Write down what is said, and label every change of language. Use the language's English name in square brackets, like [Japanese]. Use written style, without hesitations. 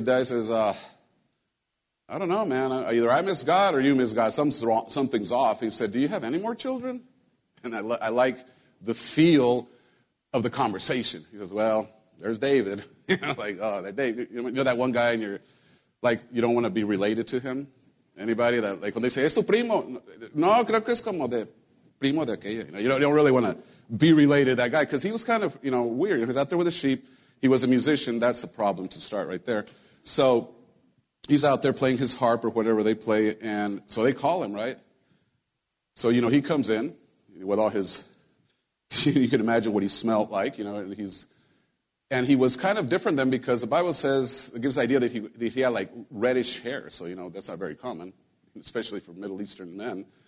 [English] The dad says, I don't know, man. Either I miss God or you miss God. Something's off. He said, do you have any more children? And I like the feel of the conversation. He says, well, there's David. Like, oh, there's David. You know that one guy, and you're like, you don't want to be related to him? Anybody that, like, when they say, [Spanish] es tu primo? No, creo que es como de primo de aquella. [English] You know, you don't really want to be related to that guy, because he was kind of, you know, weird. He was out there with the sheep. He was a musician. That's a problem to start right there. So he's out there playing his harp or whatever they play, and so they call him, right? So, you know, he comes in with all his, you can imagine what he smelled like, you know, and he's, and he was kind of different than, because the Bible says, it gives the idea that he had like reddish hair, so, you know, that's not very common, especially for Middle Eastern men.